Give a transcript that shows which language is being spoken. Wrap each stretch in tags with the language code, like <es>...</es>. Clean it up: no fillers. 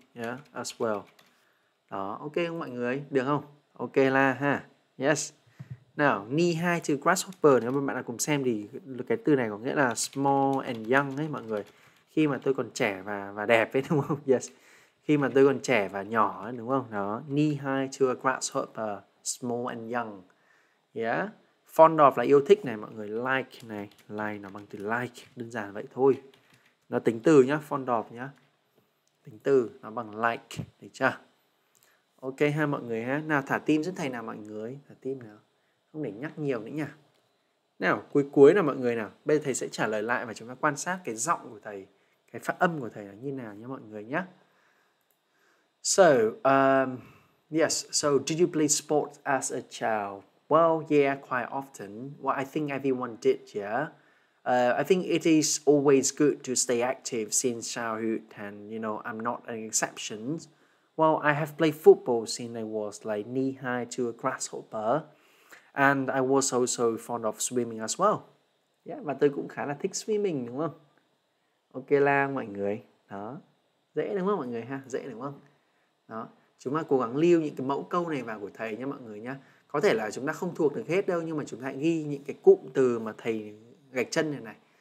<en>Yeah, as well.</en> <vi>Đó, ok không mọi người? Được không? Ok la ha. Yes.</vi> <en>Now, knee high to grasshopper.</en> <vi>Nếu mà bạn nào cùng xem thì cái từ này có nghĩa là</vi> <en>small and young</en> <vi>ấy mọi người. Khi mà tôi còn trẻ và đẹp ấy, đúng không? Yes. Khi mà tôi còn trẻ và nhỏ ấy, đúng không?</vi> <en>Đó, knee high to a grasshopper, small and young. Yeah.</en> <vi>Fond of là yêu thích này mọi người. Like này, like nó bằng từ like, đơn giản vậy thôi. Nó tính từ nhá, fond of nhá. Tính từ nó bằng like, được chưa? Ok ha mọi người ha. Nào thả tim giúp thầy nào mọi người, thả tim nào. Không để nhắc nhiều nữa nha. Nào, cuối nào mọi người nào. Bây giờ thầy sẽ trả lời lại và chúng ta quan sát cái giọng của thầy, cái phát âm của thầy là như nào nha mọi người nhé.</vi> <en>So, yes, so did you play sports as a child? Well, yeah, quite often. Well, I think everyone did, yeah. I think it is always good to stay active since childhood and, you know, I'm not an exception. Well, I have played football since I was like knee high to a grasshopper. And I was also fond of swimming as well.</en> <vi>Yeah, và tôi cũng khá là thích swimming, đúng không? Ok la mọi người. Đó. Dễ đúng không mọi người ha? Dễ đúng không? Đó. Chúng ta cố gắng lưu những cái mẫu câu này vào của thầy nha mọi người nha. Có thể là chúng ta không thuộc được hết đâu, nhưng mà chúng ta ghi những cái cụm từ mà thầy gạch chân này này.</vi>